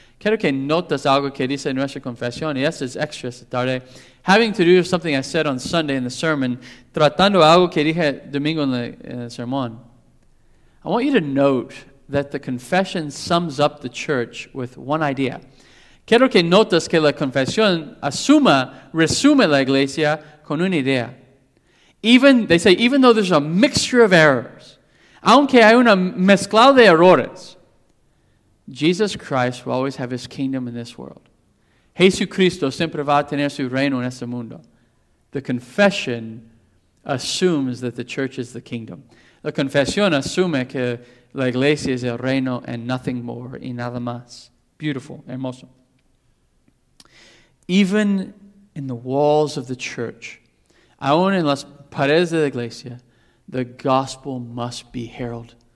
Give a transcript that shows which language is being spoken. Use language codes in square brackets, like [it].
[es] Quiero que notas algo que dice nuestra confesión, y esto es extra esta tarde, [en] having to do with something I said on Sunday in the sermon, [es] tratando algo que dije domingo en el sermón. [en] I want you to note that the confession sums up the church with one idea. [es] Quiero que notas que la confesión resume la iglesia con una idea. [en] Even though there's a mixture of errors, [es] aunque hay una mezcla de errores, [en] Jesus Christ will always have his kingdom in this world. [es] Jesucristo siempre va a tener su reino en este mundo. [en] The confession assumes that the church is the kingdom. [es] La confesión asume que la iglesia es el reino [en] and nothing more [es] y nada más. beautiful, hermoso. [en] Even in the walls of the church, [es] aún en las paredes de la iglesia, [en] the gospel must be heralded.